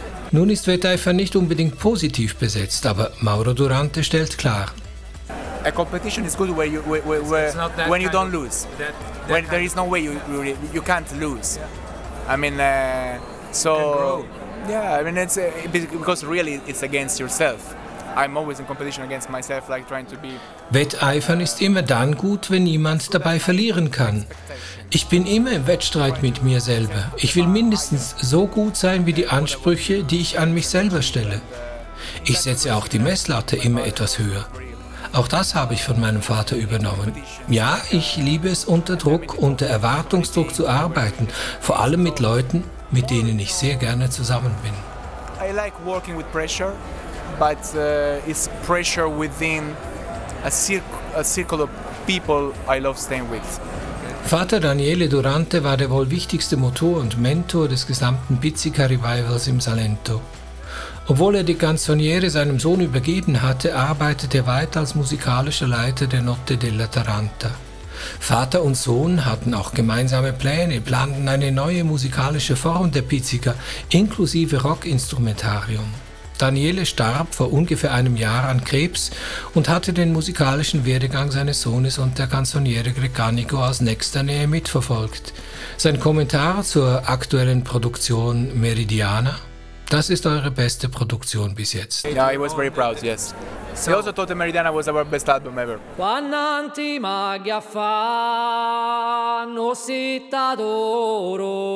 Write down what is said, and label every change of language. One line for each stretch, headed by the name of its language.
German: Nun ist Wetteifer nicht unbedingt positiv besetzt, aber Mauro Durante stellt klar.
English: A competition is good when you don't lose. When there is no way you can't lose. Yeah. I mean, so yeah. I mean, it's because really it's against yourself. I'm always in competition against myself, like trying to be.
German: Wetteifern ist immer dann gut, wenn niemand dabei verlieren kann. Ich bin immer im Wettstreit mit mir selber. Ich will mindestens so gut sein wie die Ansprüche, die ich an mich selber stelle. Ich setze auch die Messlatte immer etwas höher. Auch das habe ich von meinem Vater übernommen. Ja, ich liebe es, unter Druck, unter Erwartungsdruck zu arbeiten, vor allem mit Leuten, mit denen ich sehr gerne zusammen bin.
English: I like working with pressure, but it's pressure within a circle of people I love staying with.
German: Vater Daniele Durante war der wohl wichtigste Motor und Mentor des gesamten Pizzica-Revivals im Salento. Obwohl er die Canzoniere seinem Sohn übergeben hatte, arbeitete er weiter als musikalischer Leiter der Notte della Taranta. Vater und Sohn hatten auch gemeinsame Pläne, planten eine neue musikalische Form der Pizzica, inklusive Rockinstrumentarium. Daniele starb vor ungefähr einem Jahr an Krebs und hatte den musikalischen Werdegang seines Sohnes und der Canzoniere Greganico aus nächster Nähe mitverfolgt. Sein Kommentar zur aktuellen Produktion Meridiana: Das ist eure beste Produktion bis jetzt.
English: Ja, yeah, I was very proud, yes. He also thought the Meridiana was our best album ever.
Italian: Quananti magia fanno città d'oro.